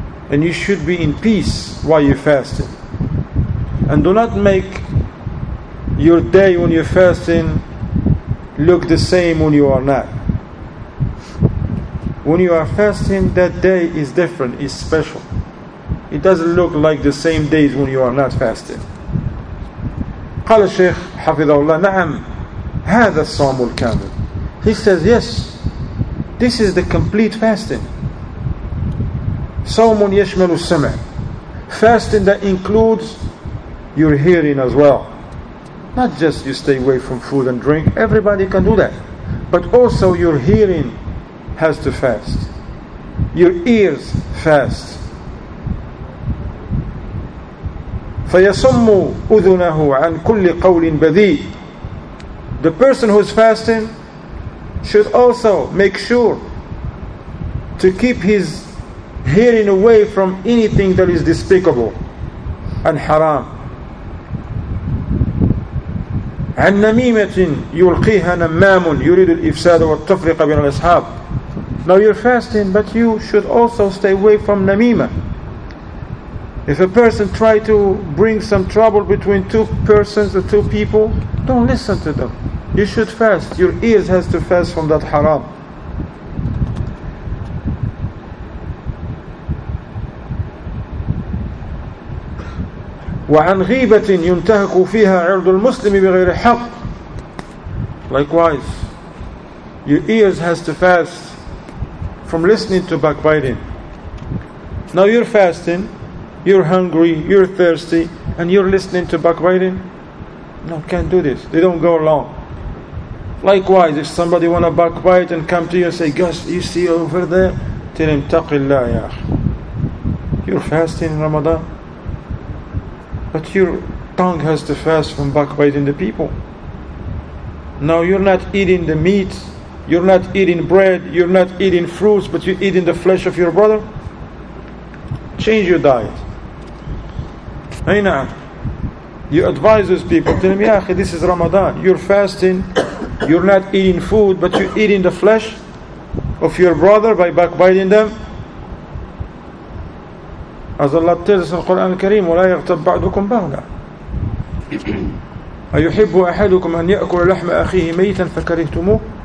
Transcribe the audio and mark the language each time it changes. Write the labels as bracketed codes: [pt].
[en] And you should be in peace while you're fasting. And do not make your day when you're fasting look the same when you are not. When you are fasting, that day is different, is special. It doesn't look like the same days when you are not fasting. [ar] قال الشيخ حفظه الله نعم هذا الصوم الكامل. [en] He says, yes, this is the complete fasting. [ar] صوم يشمل السمع. [en] Fasting that includes your hearing as well. Not just you stay away from food and drink, everybody can do that. But also your hearing has to fast. Your ears fast. [ar] فَيَصُمُّ أُذُنَهُ عَنْ كُلِّ قَوْلٍ بَذِيءٍ. [en] The person who is fasting should also make sure to keep his hearing away from anything that is despicable and haram. [ar] عن نميمة يلقيها نمام يريد الإفساد والتفرقة بين الأصحاب. [en] Now you're fasting, but you should also stay away from namima. If a person try to bring some trouble between two persons or two people, don't listen to them. You should fast. Your ears has to fast from that haram. [ar] وعن غيبة ينتهك فيها عرض المسلم بغير حق. [en] Likewise, your ears has to fast from listening to backbiting. Now you're fasting, you're hungry, you're thirsty, and you're listening to backbiting. No, can't do this. They don't go along. Likewise, if somebody want to backbite and come to you and say, Gus, you see over there? Tell him, [ar] تقي الله يا أخي. [en] You're fasting in Ramadan. But your tongue has to fast from backbiting the people. Now you're not eating the meat, you're not eating bread, you're not eating fruits, but you're eating the flesh of your brother. Change your diet. You advise those people, tell them, [ar] ya akhi, [en] this is Ramadan. You're fasting, you're not eating food, but you're eating the flesh of your brother by backbiting them. As Allah tells in the Quran al-Kareem, [ar] وَلَا يَغْتَبْ بَعْدُكُمْ بَغْدًا أَيُحِبُّ أَحَدُكُمْ أَنْ يَأْكُلَ لَحْمَ أَخِيهِ مَيْتًا فَكَرِهْتُمُهُ.